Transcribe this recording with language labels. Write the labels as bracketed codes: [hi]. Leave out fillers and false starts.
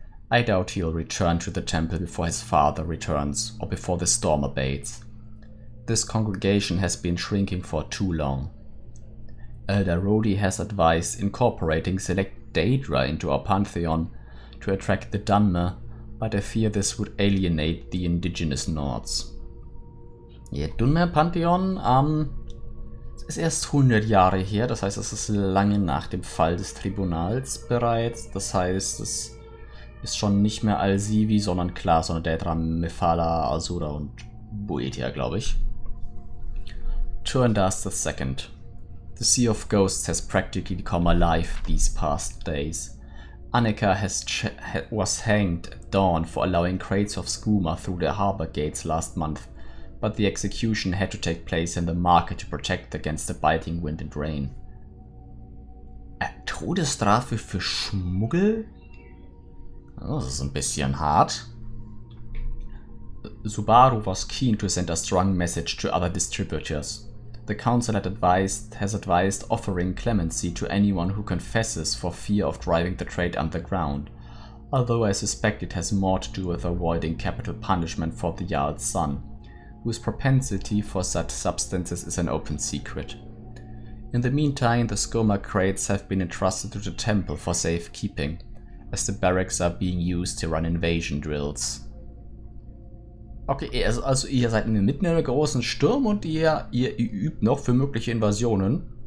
[en] I doubt he'll return to the temple before his father returns or before the storm abates. This congregation has been shrinking for too long. Elder Rodi has advised incorporating select Daedra into our pantheon to attract the Dunmer, but I fear this would alienate the indigenous Nords. [de] Ja, Dunmer Pantheon, ist erst 100 Jahre her, das heißt, es ist lange nach dem Fall des Tribunals bereits, das heißt, es ist schon nicht mehr Al-Sivi, sondern klar, sondern Daedra, Mephala, Azura und Boethia, glaube ich. [en] Turandas the Second. The Sea of Ghosts has practically come alive these past days. Annika was hanged at dawn for allowing crates of skooma through the harbor gates last month, but the execution had to take place in the market to protect against the biting wind and rain. [de] Todesstrafe für Schmuggel? Das ist ein bisschen hart. [en] Subaru was keen to send a strong message to other distributors. The council has advised offering clemency to anyone who confesses for fear of driving the trade underground, although I suspect it has more to do with avoiding capital punishment for the Jarl's son, whose propensity for such substances is an open secret. In the meantime, the skooma crates have been entrusted to the temple for safekeeping, as the barracks are being used to run invasion drills. [de] Okay, also ihr seid mitten in einem großen Sturm und ihr übt noch für mögliche Invasionen.